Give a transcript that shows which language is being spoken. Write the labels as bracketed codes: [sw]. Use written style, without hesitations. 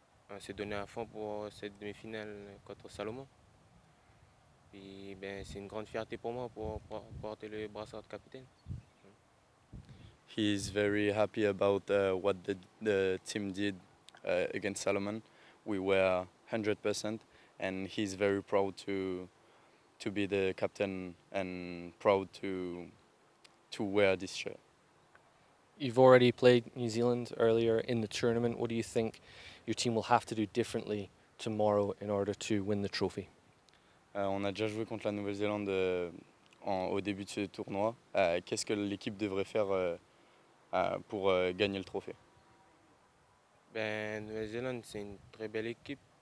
[fr] On s'est donné à fond pour cette demi-finale contre Salomon. Puis, ben, c'est une grande fierté pour moi pour porter le brassard de capitaine. [en] He is very happy about what the team did against Salomon. We were 100%, and he's very proud to be the captain and proud to wear this shirt. You've already played New Zealand earlier in the tournament. What do you think your team will have to do differently tomorrow in order to win the trophy? [fr] On a déjà joué contre la Nouvelle-Zélande au début de ce tournoi. Qu'est-ce que l'équipe devrait faire pour gagner le trophée? Ben, Nouvelle-Zélande, c'est une très belle équipe.